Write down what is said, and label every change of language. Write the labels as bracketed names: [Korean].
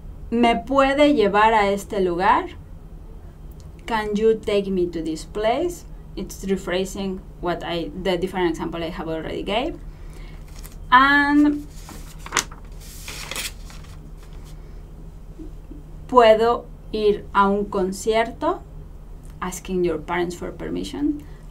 [Spanish] ¿Me puede llevar a este lugar? [English] Can you take me to this place? It's rephrasing the different example I have already gave. And [Spanish] ¿puedo ir a un concierto? [English] Asking your parents for permission.